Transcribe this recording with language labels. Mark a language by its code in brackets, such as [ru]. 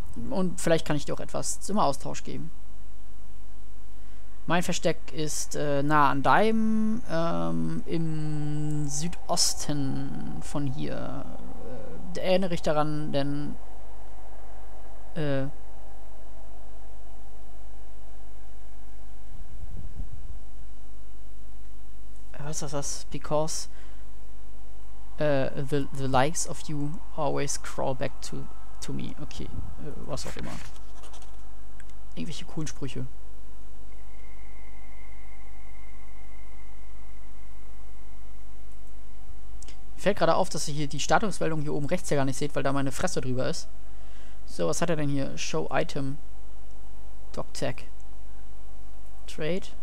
[de] Und vielleicht kann ich dir auch etwas zum Austausch geben. Mein Versteck ist nah an deinem, im Südosten von hier. Erinnere ich daran, denn was ist das? [en] Because the likes of you always crawl back to me. [de] Okay, was auch immer. Irgendwelche coolen Sprüche. Fällt gerade auf, dass ihr hier die Startungsmeldung hier oben rechts ja gar nicht seht, weil da meine Fresse drüber ist. So, was hat er denn hier? Show Item. Doc Tech. Trade.